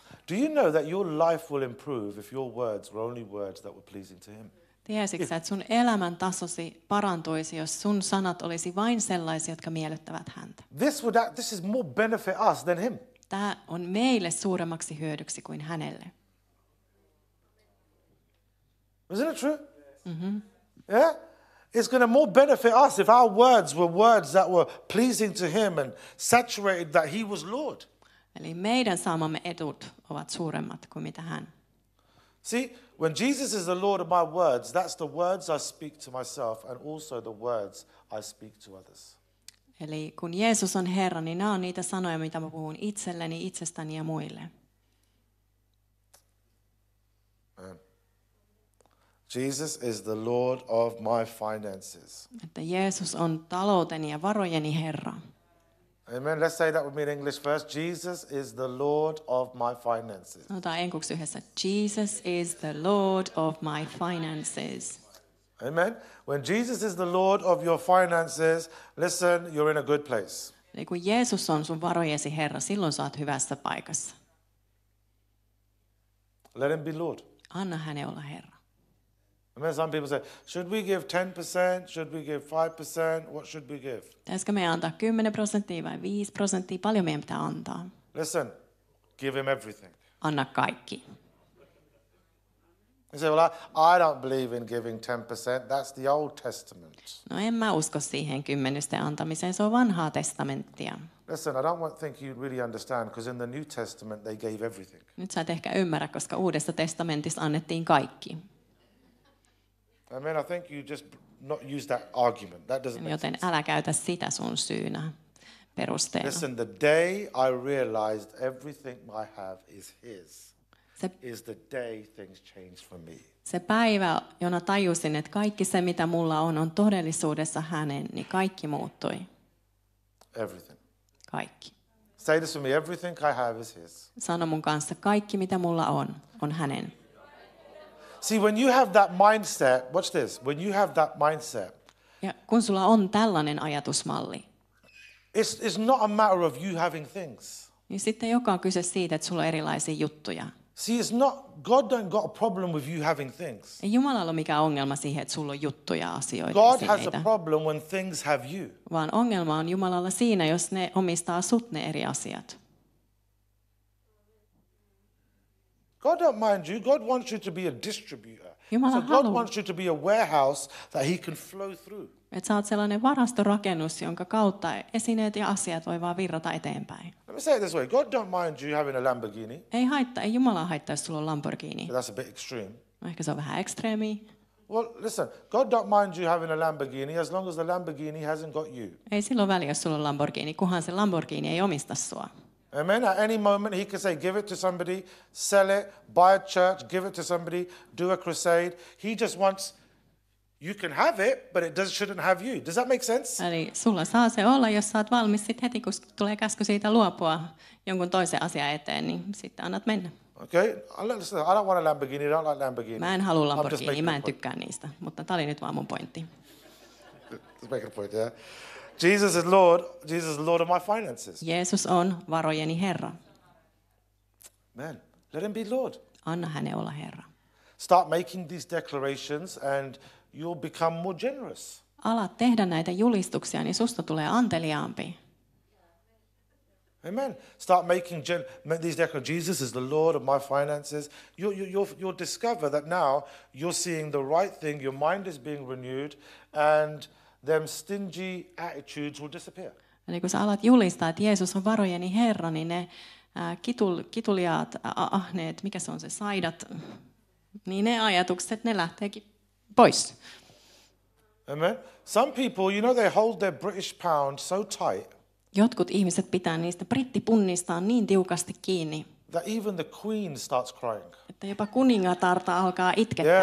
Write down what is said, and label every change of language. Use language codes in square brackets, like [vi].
[en] Do you know that your life will improve if your words were only words that were pleasing to him? [fi] Tiesitkö, että sun elämän tasosi parantuisi, jos sun sanat olisi vain sellaisia, jotka miellyttävät häntä? [en] This is more benefit us than him. [fi] Tämä on meille suuremmaksi hyödyksi kuin hänelle. [en] Isn't it true? Mm-hmm. Yeah? It's going to more benefit us if our words were words that were pleasing to him and saturated that he was Lord. [fi] Eli meidän saamamme edut ovat suuremmat kuin mitä hän. [en] See, when Jesus is the Lord of my words, that's the words I speak to myself and also the words I speak to others. [fi] Eli kun Jeesus on Herra, niin nämä on niitä sanoja, mitä mä puhun itselleni, itsestäni ja muille. [en] Jesus is the Lord of my finances. [fi] Että Jeesus on talouteni ja varojeni Herra. [en] Amen. Let's say that with me in English first. Jesus is the Lord of my finances. [fi] Otetaan englanniksi yhdessä. [en] Jesus is the Lord of my finances. Amen. When Jesus is the Lord of your finances, listen, you're in a good place. [fi] Eli kun Jeesus on sun varojesi Herra, silloin sä oot hyvässä paikassa. [en] Let him be Lord. [fi] Anna hänen olla Herra. [en] Amen. Some people say, should we give 10%? Should we give 5%? What should we give? [fi] Pitäisikö meidän antaa 10% vai 5%? Paljon meidän pitää antaa? [en] Listen, give him everything. [fi] Anna kaikki. [en] You say, well, I don't believe in giving 10%. That's the Old Testament. [fi] No, en mä usko siihen kymmenysten antamiseen. Se on vanhaa testamenttia. [en] Listen, I don't think you really understand, because in the New Testament they gave everything. [fi] Nyt sä et ehkä ymmärrä, koska Uudessa testamentissa annettiin kaikki. [en] I mean, I think you just not use that argument. That doesn't make [fi] joten [en] sense. [fi] Älä käytä sitä sun syynä perusteena. [en] Listen, the day I realized everything I have is his, is the day things changed for me. [fi] Se päivä, jona tajusin, että kaikki se, mitä mulla on todellisuudessa hänen, niin kaikki muuttui. [en] Everything. [fi] Kaikki. [en] Say this with me, everything I have is his. [fi] Sano mun kanssa, kaikki mitä mulla on hänen. [en] See, when you have that mindset, watch this, when you have that mindset, [fi] ja kun sulla on tällainen ajatusmalli, [en] it's not a matter of you having things. [fi] Niin sitten joka on kyse siitä, että sulla on erilaisia juttuja. [en] See, it's not, God don't got a problem with you having things. [fi] Ei Jumalalla ole mikään ongelma siihen, että sulla on juttuja, asioita. [en] God has a problem when things have you. [fi] Vaan ongelma on Jumalalla siinä, jos ne omistaa sut ne eri asiat. [en] God don't mind you. God wants you to be a distributor. [fi] Jumala so God haluaa. [en] Wants you to be a warehouse that he can flow through. [fi] Et sä oot sellainen varastorakennus, jonka kautta esineet ja asiat voi vaan virrata eteenpäin. [en] Let me say it this way. God don't mind you having a Lamborghini. [fi] Ei haittaa. Ei Jumala haittaa, jos sulla on Lamborghini. [en] But that's a bit extreme. [fi] Ehkä se on vähän ekstreemi. [en] Well, listen. God don't mind you having a Lamborghini as long as the Lamborghini hasn't got you. [fi] Ei silloin väliä, jos sulla on Lamborghini, kunhan se Lamborghini ei omista sua. [en] Amen. At any moment he can say, give it to somebody, sell it, buy a church, give it to somebody, do a crusade. He just wants, you can have it, but it shouldn't have you. Does that make sense? [fi] Eli sulla saa se olla, jos sä oot valmis sit heti, kun tulee käsky siitä luopua jonkun toisen asian eteen, niin sitten annat mennä. [en] Okay, listen, I don't want a Lamborghini, I don't like Lamborghini. [fi] Mä en halua Lamborghini, mä en tykkää niistä, mutta tää oli nyt vaan mun pointti. [en] Just making a point, yeah. Jesus is Lord. Jesus is Lord of my finances. [fi] Jeesus on varojeni Herra. [en] Man, let him be Lord. [fi] Anna hänen olla Herra. [en] Start making these declarations and you'll become more generous. [fi] Ala tehdä näitä julistuksia, niin susta tulee anteliaampi. [en] Amen. Start making these declarations. Jesus is the Lord of my finances. You'll discover that now you're seeing the right thing, your mind is being renewed, and them stingy attitudes will disappear. [fi] Eli kun sä alat julistaa, että Jeesus on varojeni Herra, niin ne kituliaat, ahneet, mikä se on se, saidat, niin ne ajatukset, ne lähteekin pois. [en] Amen. Some people, you know, they hold their British pound so tight. [fi] Jotkut ihmiset pitää niistä brittipunnistaan niin tiukasti kiinni. [en] That even the queen starts crying. [fi] Että jopa kuningatarta alkaa itkettää.